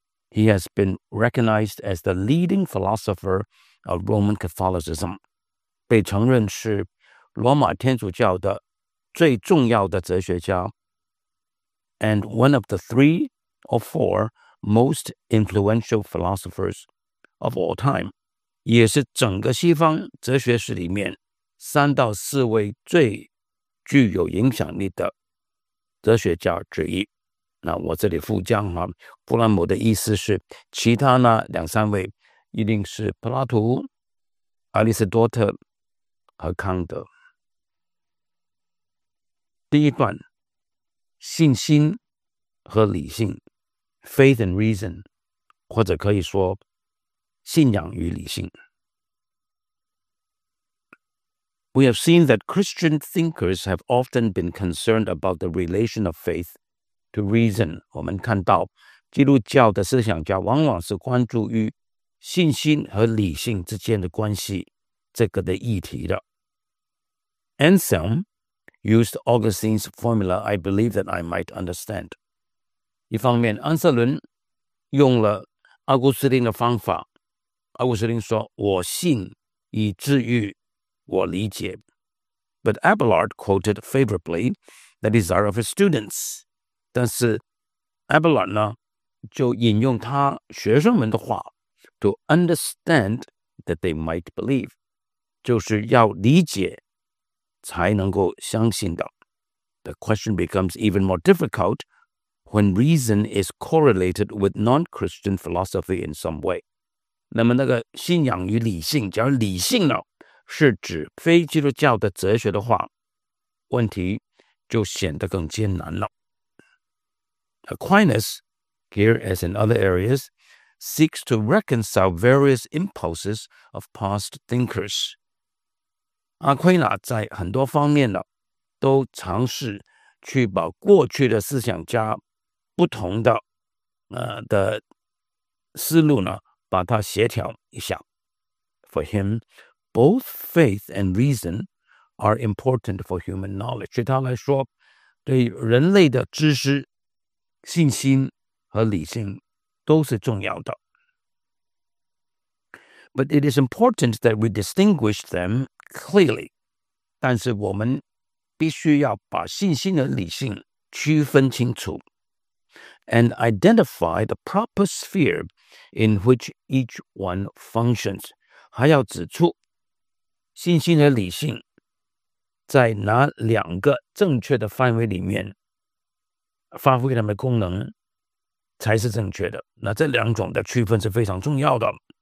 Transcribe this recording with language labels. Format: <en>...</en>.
<en>He has been recognized as the leading philosopher of Roman Catholicism.</en> <zh>被承认是罗马天主教的最重要的哲学家。</zh> <en>And one of the three or four most influential philosophers of all time.</en> <zh>也是整个西方哲学史里面三到四位最具有影响力的哲学家之一。那我这里附将哈，弗兰姆的意思是其他那两三位一定是柏拉图、亚里士多特和康德。第一段，信心和理性</zh> <en>Faith and Reason，</en> <zh>或者可以说信仰与理性。</zh> <en>We have seen that Christian thinkers have often been concerned about the relation of faith to reason.</en> <zh>我们看到基督教的思想家往往是关注于信心和理性之间的关系这个的议题的。</zh> <en>Anselm used Augustine's formula, I believe that I might understand.</en> <zh>一方面安瑟伦用了阿古斯丁的方法，阿古斯丁说我信以至于我理解。</zh> <en>But Abelard quoted favorably the desire of his students.</en> <zh>但是 Abelard 呢就引用他学生们的话</zh> <en>to understand that they might believe.</en> <zh>就是要理解才能够相信的。</zh> <en>The question becomes even more difficult when reason is correlated with non-Christian philosophy in some way.</en> <zh>那么那个信仰与理性，假如理性呢是指非基督教的哲学的话，问题就显得更艰难了。</zh> <en>Aquinas, here as in other areas, seeks to reconcile various impulses of past thinkers.</en> <zh>阿奎那在很多方面呢，都尝试去把过去的思想家不同的的思路呢，把它协调一下。</zh> <en>For him,Both faith and reason are important for human knowledge.</en> <zh>对他来说，对人类的知识、信心和理性都是重要的。</zh> <en>But it is important that we distinguish them clearly.</en> <zh>但是我们必须要把信心和理性区分清楚</zh> <en>and identify the proper sphere in which each one functions.</en> <zh>还要指出信心和理性在哪两个正确的范围里面发挥他们的功能才是正确的。那这两种的区分是非常重要的。</zh>